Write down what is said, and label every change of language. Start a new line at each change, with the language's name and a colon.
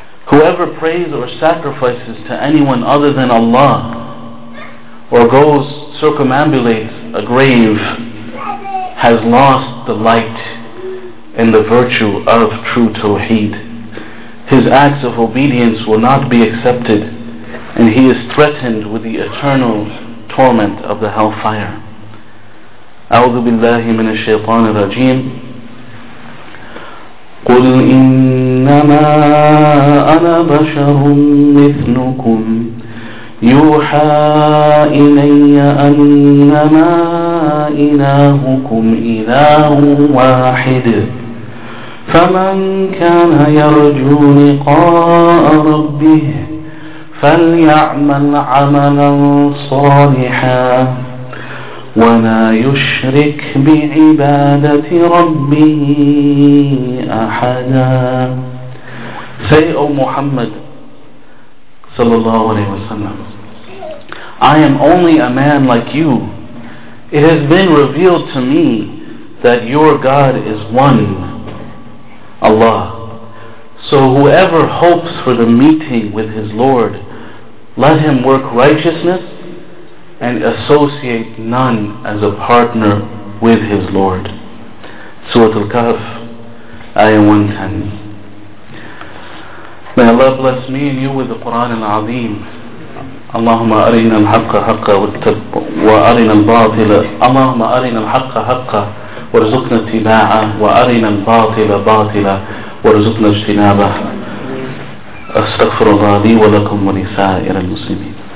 English: Whoever prays or sacrifices to anyone other than Allah, or goes circumambulates a grave, has lost the light and the virtue of true tawheed. His acts of obedience will not be accepted, and he is threatened with the eternal torment of the hellfire.
Arabic: أعوذ بالله من الشيطان الرجيم قل إنما أنا بشر مثلكم يوحى إلي أنما إلهكم إله واحد فمن كان يرجو لقاء ربه فليعمل عملا صالحا ولا يشرك بعبادة ربه أحدا.
English: Say, O Muhammad sallallahu alayhi wasallam, I am only a man like you. It has been revealed to me that your God is one, Allah. So whoever hopes for the meeting with his Lord, let him work righteousness and associate none as a partner with his Lord. Surah Al-Kahf, Ayah 110. May Allah bless me and you with the Qur'an Al-Azim.
Arabic: اللهم أرنا الحق حقا وأرنا الباطل اللهم أرنا الحق حقا وارزقنا اتباعه وأرنا الباطل باطلا وارزقنا اجتنابه أستغفر الله لي ولكم ولسائر المسلمين